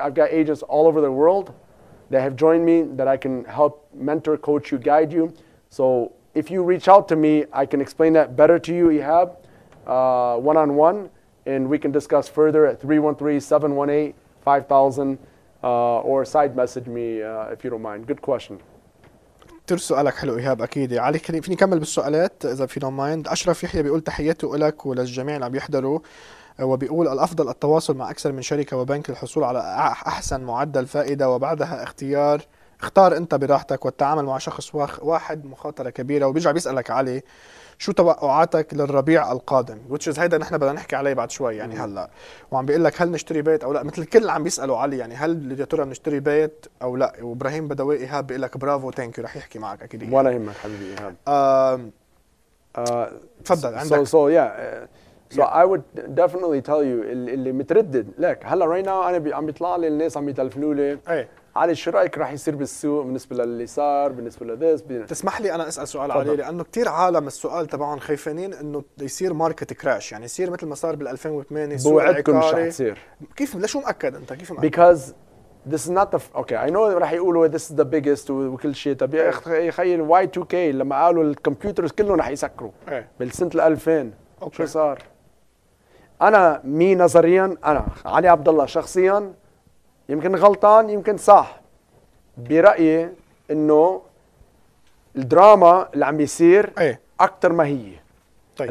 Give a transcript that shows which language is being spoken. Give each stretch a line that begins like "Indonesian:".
English: I've got agents all over the world that have joined me that I can help mentor, coach you, guide you. So if you reach out to me, I can explain that better to you, Ihab, one-on-one, and we can discuss further at 313-718-5000 or side message me if you don't mind. Good question.
Arabic: كثير سؤالك حلو إيهاب. أكيد علي, فيني كمل بالسؤالات إذا في
English: Don't mind.
Arabic: أشرف يحيى بيقول تحياته لك وللجميع اللي عم يحضروا, وبيقول الأفضل التواصل مع أكثر من شركة وبنك للحصول على أحسن معدل فائدة وبعدها اختار أنت براحتك, والتعامل مع شخص واحد مخاطرة كبيرة. وبيرجع بيسألك علي, شو توقعاتك للربيع القادم؟
English: which is
Arabic: هيدا نحن بدنا نحكي عليه بعد شوي يعني هلا. وعم بيقول لك هل نشتري بيت او لا, مثل كل عم بيسالوا علي, يعني هل يا ترى بنشتري بيت او لا. وابراهيم بدوي ايهاب بيقول لك برافو
English: thank you,
Arabic: رح يحكي معك اكيد. ولا يهمك حبيبي ايهاب. تفضل عندك.
English: So yeah. So yeah. I would definitely tell you
Arabic: اللي متردد لك هلا
English: right now,
Arabic: انا عم بيطلع لي الناس عم يتلفنوا لي علي شو رأيك راح يصير بالسوق بالنسبة للي صار بالنسبة لذيس. تسمح لي أنا أسأل سؤال علي, لأنه كتير عالم السؤال تبعهم خايفين إنه يصير ماركت كراش, يعني يصير مثل ما صار بالألفين وثمانية. بوعدكم مش هتصير. كيف ليش مؤكد أنت؟ كيف مؤكد؟
English: Because this is not the okay. I know
Arabic: راح يقولوا
English: this is the biggest
Arabic: وكل شيء طبيعي. يخيل Y2K لما قالوا الكمبيوترز كلهم راح يسكروا بالسنة الألفين. شو صار؟ انا مي نظريا، انا علي عبد الله شخصيا يمكن غلطان يمكن صح، برايي انه الدراما اللي عم بيصير اكثر ما هي طيب.